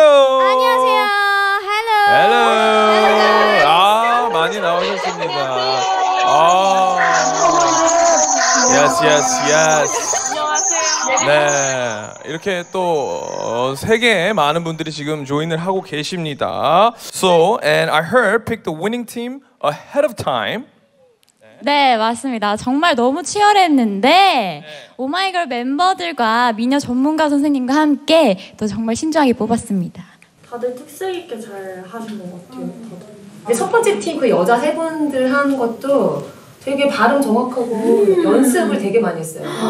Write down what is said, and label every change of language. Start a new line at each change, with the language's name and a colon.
Korean: 안녕하세요. 헬로. 헬로. 아, 많이 나오셨습니다. 아.
English: Yes, yes, yes.
Korean: 안녕하세요. 네. 이렇게 또 세계에 많은 분들이 지금 조인을 하고 계십니다.
English: So, and I heard pick the winning team ahead of time.
Korean: 네, 맞습니다. 정말 너무 치열했는데 네. 오마이걸 멤버들과 미녀 전문가 선생님과 함께 또 정말 신중하게 뽑았습니다. 다들 특색 있게 잘 하신 것 같아요. 다들. 첫 번째 팀 그 여자 세 분들 한 것도 되게 발음 정확하고 연습을 되게 많이 했어요.